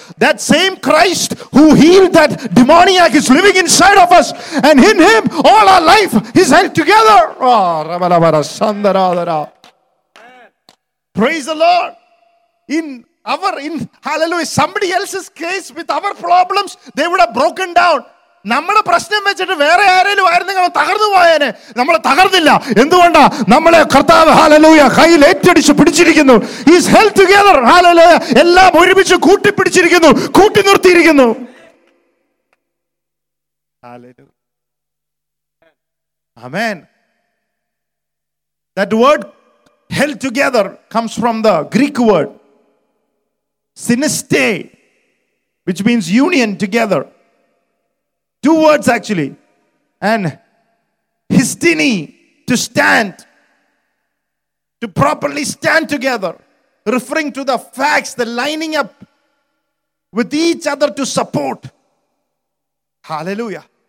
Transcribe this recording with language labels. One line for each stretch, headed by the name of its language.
English: That same Christ who healed that demoniac is living inside of us. And in him, all our life is held together. Oh, praise the Lord. Hallelujah. Somebody else's case with our problems, they would have broken down.
Malayalam: നമ്മളെ പ്രശ്നം വെച്ചിട്ട് വേറെ ആരെങ്കിലും ആയിരുന്നെങ്കിൽ അവൻ തകർന്നു പോയേനെ. നമ്മൾ തകർന്നില്ല. എന്തുകൊണ്ടാ? നമ്മളെ കർത്താവ് ഹല്ലേലൂയ കയ്യിൽ ഏറ്റടിച്ച് പിടിച്ചിരിക്കുന്നു.
English: He's held together.
Malayalam: ഹല്ലേലൂയ. എല്ലാം ഒരുമിച്ച് കൂട്ടി പിടിച്ചിരിക്കുന്നു, കൂട്ടി നിർത്തിയിരിക്കുന്നു.
English: Amen. That word held together comes from the Greek word സിനസ്തേ, which means union together. Two words actually. And histini, to stand, to properly stand together, referring to the facts, the lining up with each other to support. Hallelujah.